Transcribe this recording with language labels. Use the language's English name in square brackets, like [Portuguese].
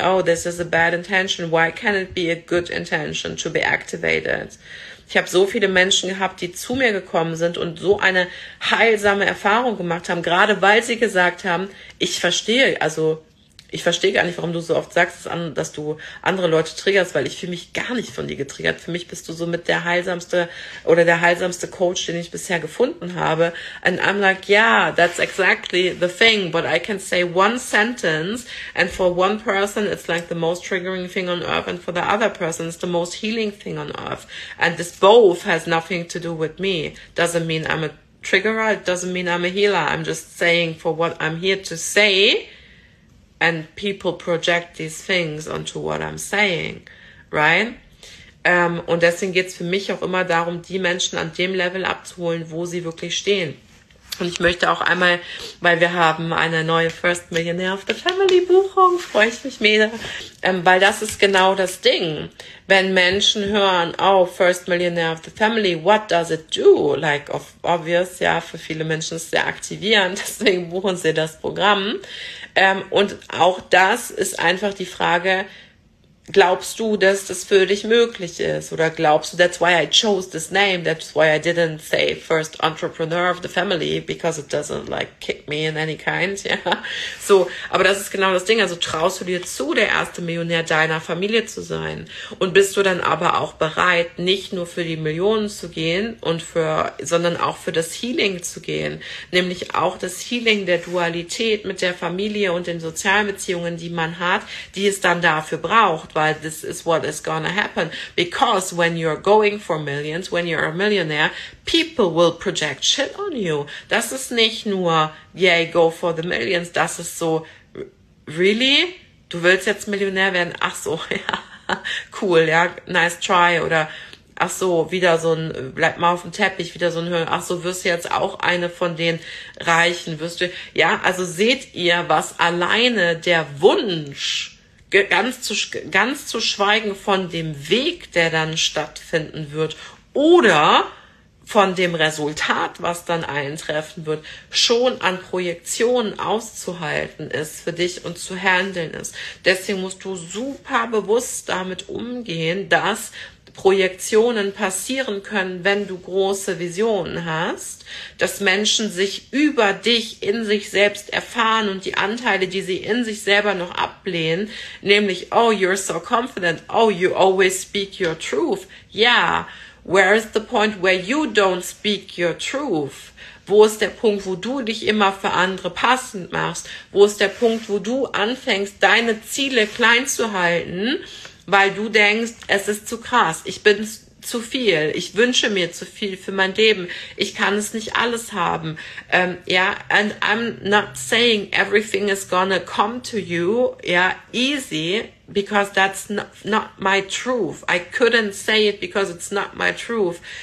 [English] Oh, this is a bad intention. Why can't it be a good intention to be activated? [German] Ich habe so viele Menschen gehabt, die zu mir gekommen sind und so eine heilsame Erfahrung gemacht haben, gerade weil sie gesagt haben, ich verstehe gar nicht, warum du so oft sagst, dass du andere Leute triggerst, weil ich fühle mich gar nicht von dir getriggert. Für mich bist du so mit der heilsamste oder der heilsamste Coach, den ich bisher gefunden habe. [English] And I'm like, yeah, that's exactly the thing, but I can say one sentence and for one person it's like the most triggering thing on earth and for the other person it's the most healing thing on earth. And this both has nothing to do with me. Doesn't mean I'm a triggerer, it doesn't mean I'm a healer. I'm just saying for what I'm here to say. And people project these things onto what I'm saying, right? [German] Und deswegen geht's für mich auch immer darum, die Menschen an dem Level abzuholen, wo sie wirklich stehen. Und ich möchte auch einmal, weil wir haben eine neue First Millionaire of the Family Buchung, freue ich mich mega, weil das ist genau das Ding. Wenn Menschen hören, oh, First Millionaire of the Family, [English] what does it do? Like, of obvious, [German] ja, für viele Menschen ist es sehr aktivierend, deswegen buchen sie das Programm. Und auch das ist einfach die Frage, glaubst du, dass das für dich möglich ist? Oder glaubst du, [English] that's why I chose this name, that's why I didn't say first entrepreneur of the family, because it doesn't like kick me in any kind, ja? [German] So, aber das ist genau das Ding. Also traust du dir zu, der erste Millionär deiner Familie zu sein? Und bist du dann aber auch bereit, nicht nur für die Millionen zu gehen, und für, sondern auch für das Healing zu gehen? Nämlich auch das Healing der Dualität mit der Familie und den sozialen Beziehungen, die man hat, die es dann dafür braucht. [English] Weil this is what is gonna happen. Because when you're going for millions, when you're a millionaire, people will project shit on you. [German] Das ist nicht nur, [English] yay, go for the millions. [German] Das ist so, [English] really? [German] Du willst jetzt Millionär werden? Ach so, ja, cool, ja, [English] nice try. [German] Oder, ach so, wieder so ein, bleib mal auf dem Teppich, wieder so ein Hören. Ach so, wirst du jetzt auch eine von den Reichen? Wirst du, ja, also seht ihr, was alleine der Wunsch, ganz zu schweigen von dem Weg, der dann stattfinden wird, oder von dem Resultat, was dann eintreffen wird, schon an Projektionen auszuhalten ist für dich und zu handeln ist. Deswegen musst du super bewusst damit umgehen, dass Projektionen passieren können, wenn du große Visionen hast, dass Menschen sich über dich in sich selbst erfahren und die Anteile, die sie in sich selber noch ablehnen, nämlich, [English] oh, you're so confident, oh, you always speak your truth. Yeah, where is the point where you don't speak your truth? [German] Wo ist der Punkt, wo du dich immer für andere passend machst? Wo ist der Punkt, wo du anfängst, deine Ziele klein zu halten, weil du denkst, es ist zu krass, ich bin zu viel, ich wünsche mir zu viel für mein Leben, ich kann es nicht alles haben, ja, [English] yeah, and I'm not saying everything is gonna come to you, yeah, easy, because that's not my truth, [German] I couldn't say it, because it's not my truth,